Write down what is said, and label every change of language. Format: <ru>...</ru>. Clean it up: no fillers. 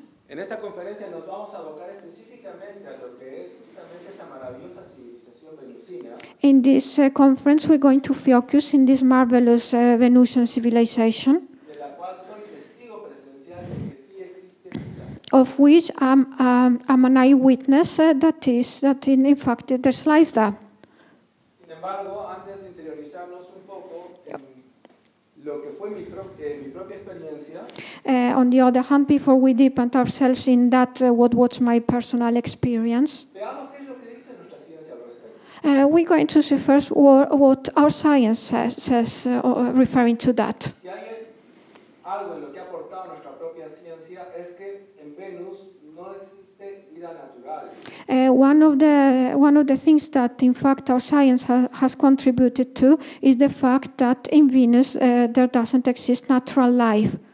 <es>En esta conferencia nos vamos a abocar específicamente a lo que es justamente esta maravillosa civilización venusina.</es> <en>In this conference we're going to focus in this marvelous Venusian civilization.</en> <es>De la cual soy testigo presencial de que sí existe vida.</es> <en>Of which I'm an eyewitness that in fact there's life there.</en> <es>Sin embargo, antes de interiorizarnos un poco lo que fue mi propia experiencia.</es> <en>On the other hand, before we deepen ourselves in that, what was my personal experience?</en> <es>Veamos qué es lo que dice nuestra ciencia al respecto.</es> <en>We're going to see first what our science says referring to that.</en> <es>Si hay algo en lo que ha aportado nuestra propia ciencia es que en Venus no existe vida natural.</es> <en>One of the things that, in fact, our science has contributed to is the fact that in Venus there doesn't exist natural life.</en>